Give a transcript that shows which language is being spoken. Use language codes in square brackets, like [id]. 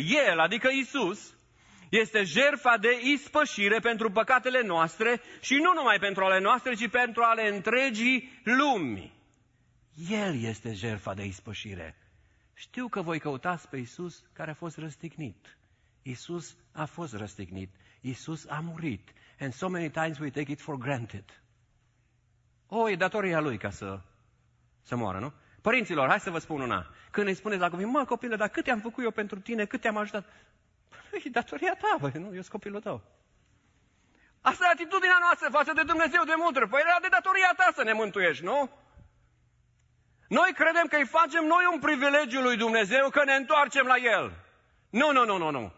[ro] El, adică Iisus, este jertfa de ispășire pentru păcatele noastre și nu numai pentru ale noastre, ci pentru ale întregii lumi. El este jertfa de ispășire. Știu că voi căutați pe Iisus care a fost răstignit. Iisus a fost răstignit. Iisus a murit. [en] And so many times we take it for granted. [ro] Oh, e datoria lui ca să moară, nu? Părinților, hai să vă spun una. Când îi spuneți la copii, mă copilă, dar cât am făcut eu pentru tine, cât am ajutat... E datoria ta, băi, nu? Eu-s copilul tău. Asta e atitudinea noastră față de Dumnezeu de mândră. Păi era de datoria ta să ne mântuiești, nu? Noi credem că îi facem noi un privilegiu lui Dumnezeu că ne întoarcem la El. Nu.